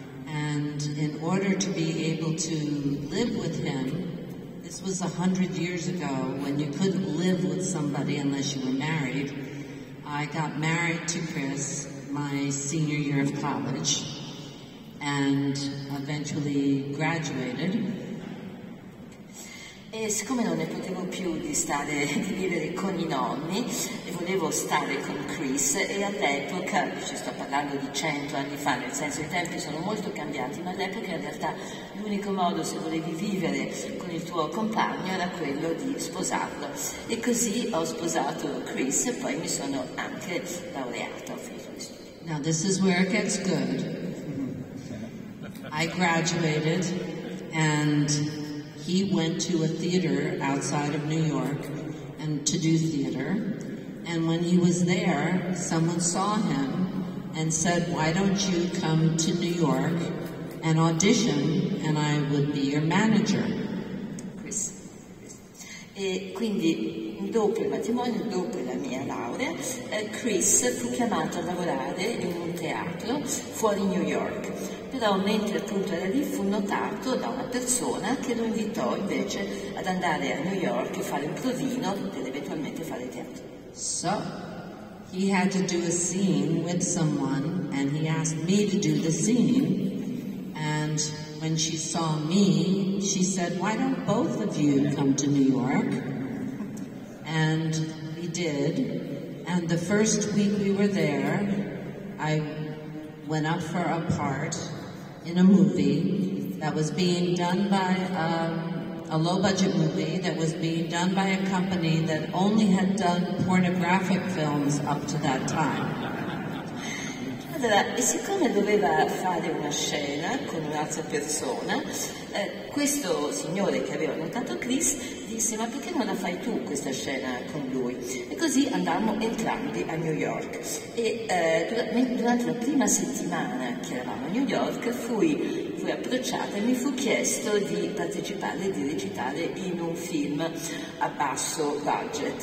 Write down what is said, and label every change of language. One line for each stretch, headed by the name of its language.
English: And in order to be able to live with him, this was 100 years ago when you couldn't live with somebody unless you were married, I got married to Chris my senior year of college and eventually graduated.
Italian: E siccome non ne potevo più di vivere con i nonni, e volevo stare con Chris, e all'epoca, ci sto parlando di 100 anni fa, nel senso i tempi sono molto cambiati, ma all'epoca in realtà l'unico modo se volevi vivere con il tuo compagno era quello di sposarlo. E così ho sposato Chris e poi mi sono anche laureata.
English: Now this is where it gets good. I graduated and he went to a theater outside of New York and to do theater, And when he was there, someone saw him and said, why don't you come to New York and audition and I would be your manager.
Italian: E quindi dopo il matrimonio, dopo la mia laurea, Chris fu chiamato a lavorare in un teatro fuori New York. Però mentre appunto era lì fu notato da una persona che lo invitò invece ad andare a New York e fare un provino per eventualmente fare teatro.
English: So, he had to do a scene with someone and he asked me to do the scene. And when she saw me, she said, why don't both of you come to New York? And we did. And the first week we were there, I went up for a part in a movie that was being done by a low-budget movie that was being done by a company that only had done pornographic films up to that time.
Italian: Allora, e siccome doveva fare una scena con un'altra persona, questo signore che aveva notato Chris disse, ma perché non la fai tu questa scena con lui? E così andammo entrambi a New York. E durante la prima settimana che eravamo a New York, fui approcciata e mi fu chiesto di partecipare e di recitare in un film a basso budget.